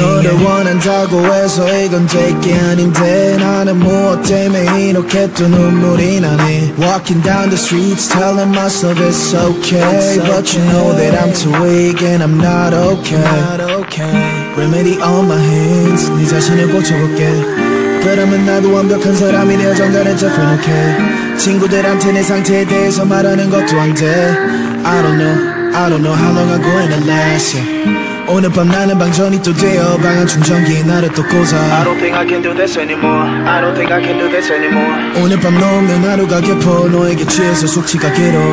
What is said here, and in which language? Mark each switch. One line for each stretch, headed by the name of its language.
Korean: 너를 원한다고 해서 이건 되게 아닌데 나는 무엇 때문에 이렇게 또 눈물이 나네.
English: Walking down the streets telling myself it's okay, it's okay. But you know that I'm too weak and I'm not okay, not okay. Remedy on my hands,
Korean: 네 자신을 고쳐볼게. 그러면 나도 완벽한 사람이 되어 정단을 접근할게. 친구들한테 내 상태에 대해서 말하는 것도 안 돼.
English: I don't know how long I'm going to last, yeah.
Korean: 오늘 밤 나는 방전이 또 되어 방안 충전기 나를 또 꽂아.
English: I don't think I can do this anymore, I don't think I can do this anymore.
Korean: 오늘 밤 넘는 하루가 깊어 너에게 취해서 숙취가 길어.